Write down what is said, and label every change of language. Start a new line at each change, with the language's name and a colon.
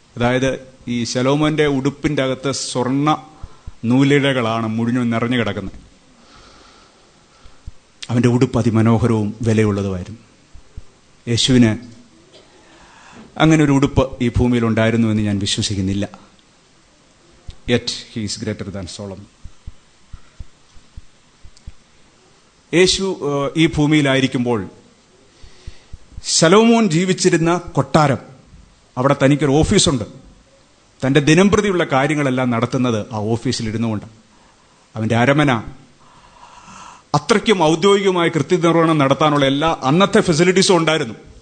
Malayalam: അതായത് ഈ ശലോമോന്റെ ഉടുപ്പിൻ്റെ അകത്ത് സ്വർണ്ണ നൂലിഴകളാണ് മുഴുവൻ നിറഞ്ഞു കിടക്കുന്നത്. അവൻ്റെ ഉടുപ്പ് അതിമനോഹരവും വിലയുള്ളതുമായിരുന്നു. യേശുവിന് അങ്ങനെ ഒരു ഉടുപ്പ് ഈ ഭൂമിയിൽ ഉണ്ടായിരുന്നു എന്ന് ഞാൻ വിശ്വസിക്കുന്നില്ല.
English: Yet he is greater than Solomon.
Malayalam: യേശു ഈ ഭൂമിയിലായിരിക്കുമ്പോൾ ശലോമോൻ ജീവിച്ചിരുന്ന കൊട്ടാരം, അവിടെ തനിക്കൊരു ഓഫീസുണ്ട്. തൻ്റെ ദിനംപ്രതിയുള്ള കാര്യങ്ങളെല്ലാം നടത്തുന്നത് ആ ഓഫീസിലിരുന്നു കൊണ്ടാണ്. അവൻ്റെ അരമന അത്രയ്ക്കും ഔദ്യോഗികമായ കൃത്യനിർവഹണം നടത്താനുള്ള എല്ലാ അന്നത്തെ ഫെസിലിറ്റീസും ഉണ്ടായിരുന്നു.